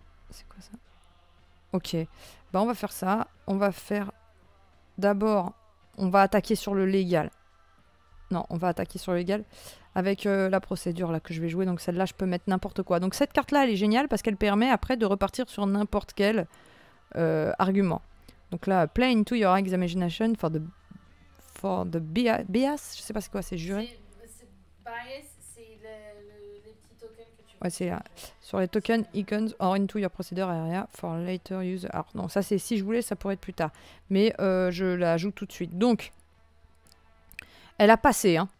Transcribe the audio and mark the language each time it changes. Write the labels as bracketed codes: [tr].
[fr] C'est quoi ça? Ok. Bah on va faire ça. On va faire... D'abord, on va attaquer sur le légal. Non, on va attaquer sur le légal avec la procédure là que je vais jouer. Donc celle-là, je peux mettre n'importe quoi. Donc cette carte-là, elle est géniale parce qu'elle permet après de repartir sur n'importe quel argument. Donc là, [en] play into your examination for the bias. [fr] Je sais pas c'est quoi, c'est juré. C'est bias, c'est les petits tokens que tu veux. Ouais, c'est là. Sur les [en] tokens, icons or into your procedure area for later use. [fr] Alors non, ça c'est si je voulais, ça pourrait être plus tard. Mais je la joue tout de suite. Donc... Elle a passé, hein.